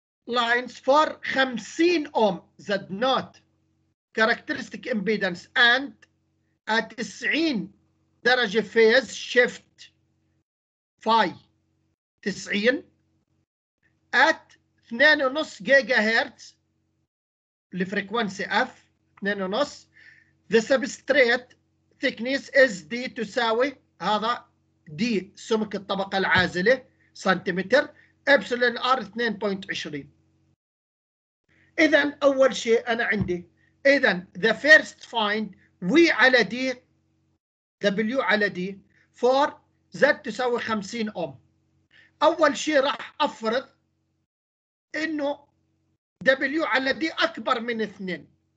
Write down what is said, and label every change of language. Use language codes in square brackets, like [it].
[en] lines for 50 ohm z not characteristic impedance and at 90 درجة phase shift phi 90 at 2.5 gigahertz الفريكوانسي f 2.5 The substrate thickness is D [ar] تساوي هذا [en] D [ar] سمك الطبقة العازلة سنتيمتر [en] epsilon R 2.20. [ar] إذا أول شيء أنا عندي إذا [en] the first find [ar] V على D W على D for Z تساوي 50 أوم. أول شيء راح أفرض إنه W على D أكبر من 2.